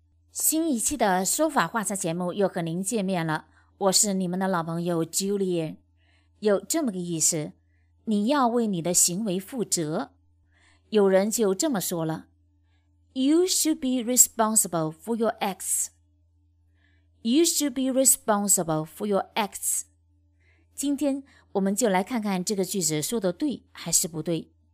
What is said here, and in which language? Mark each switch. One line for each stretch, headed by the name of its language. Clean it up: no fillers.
Chinese: 新一期的说法话茶节目又和您见面了，我是你们的老朋友 Julie。有这么个意思，你要为你的行为负责。有人就这么说了，
English: You should be responsible for your acts. You should be responsible for your acts.
Chinese: 今天我们就来看看这个句子说的对还是不对。